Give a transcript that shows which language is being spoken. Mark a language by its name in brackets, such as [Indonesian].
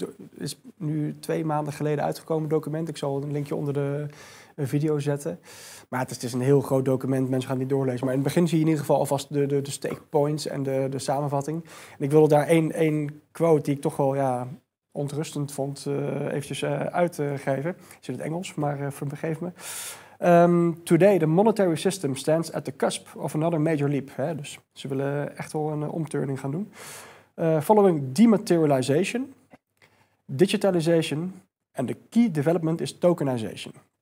[Dutch] Het is nu 2 maanden geleden uitgekomen document. Ik zal een linkje onder de video zetten. Maar het is een heel groot document, mensen gaan die doorlezen. Maar in het begin zie je in ieder geval alvast de stake points en de samenvatting. En ik wilde daar één quote die ik toch wel ontrustend vond eventjes uitgeven. Ik zit in het Engels, maar vergeef me. [English] Today the monetary system stands at the cusp of another major leap. Hè? [Dutch] Dus ze willen echt wel een omturning gaan doen. [English] Following dematerialization, digitalization and the key development is tokenization.